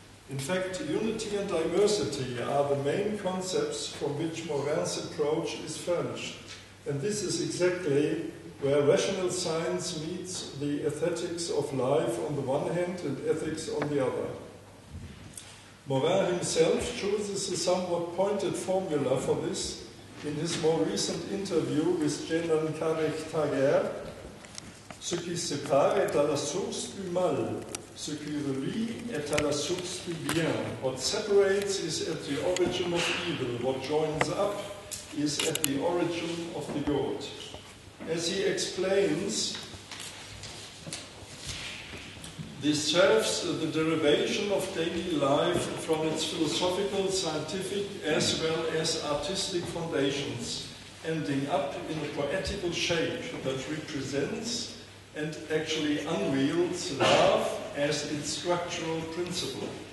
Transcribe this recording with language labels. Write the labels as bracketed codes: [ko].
[en] In fact, unity and diversity are the main concepts from which Morin's approach is furnished, and this is exactly where rational science meets the aesthetics of life on the one hand and ethics on the other. Morin himself chooses a somewhat pointed formula for this in his more recent interview with Jenan Karek Tager. [fr] Ce qui sépare est à la source du mal, ce qui relie est à la source du bien. [en] What separates is at the origin of evil, what joins up is at the origin of the good. As he explains, this serves the derivation of daily life from its philosophical, scientific, as well as artistic foundations, ending up in a poetical shape that represents and actually unveils love as its structural principle.